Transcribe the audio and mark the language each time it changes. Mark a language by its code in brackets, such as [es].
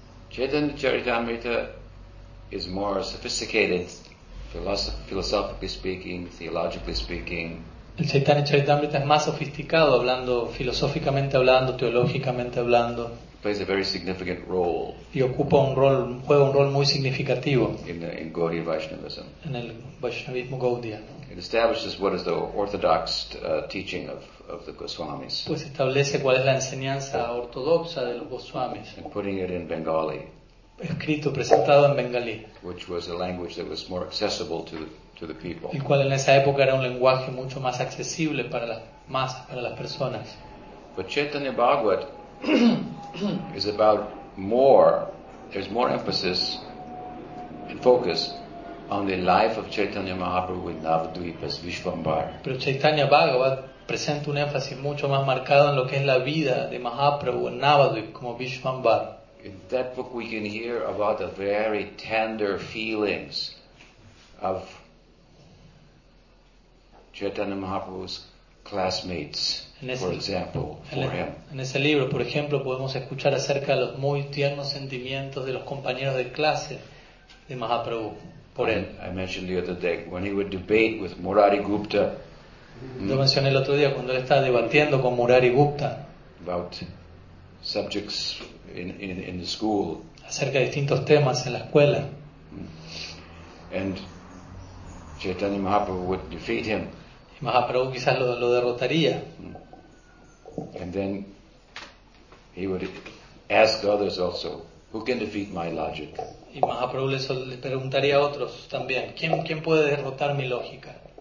[en] Chaitanya Charitamrita is more sophisticated, philosophically speaking, theologically speaking. [es] El Chaitanya Charitamrita es más sofisticado, hablando filosóficamente hablando, teológicamente hablando. [en] Plays a very significant role. [es] Y ocupa un rol, juega un rol muy significativo. [en] In Gaudiya Vaishnavism. [es] En el Vaishnavismo Gaudiya. [en] It establishes what is the orthodox teaching of the Goswamis. [es] Pues establece cuál es la enseñanza ortodoxa de los Goswamis. [en] And putting it in Bengali. [es] Escrito, presentado en Bengali. [en] Which was a language that was more accessible to the people. [es] El cual en esa época era un lenguaje mucho más accesible para las masas, para las personas. [en] But Chaitanya Bhagavat is about more, there's more emphasis and focus on the life of Chaitanya Mahaprabhu in Navadvipas Vishvambar. [es] Pero Chaitanya Bhagavat presenta un énfasis mucho más marcado en lo que es la vida de Mahaprabhu en Navadvip como Vishvambar. [en] In that book we can hear about the very tender feelings of Chaitanya Mahaprabhu's classmates, for example, for him. [es] En ese libro, por ejemplo, podemos escuchar acerca de los muy tiernos sentimientos de los compañeros de clase de Mahaprabhu. Por él. [en] I mentioned the other day when he would debate with Murari Gupta. [es] Lo mencioné el otro día cuando él estaba debatiendo con Murari Gupta. [en] About subjects in the school. [es] Acerca de distintos temas en la escuela. [en] And Chaitanya Mahaprabhu would defeat him. [es] Mahaprabhu quizás lo derrotaría. [en] And then he would ask others also, who can defeat my logic? [es] Y Mahaprabhu le preguntaría a otros también, ¿quién puede derrotar mi lógica?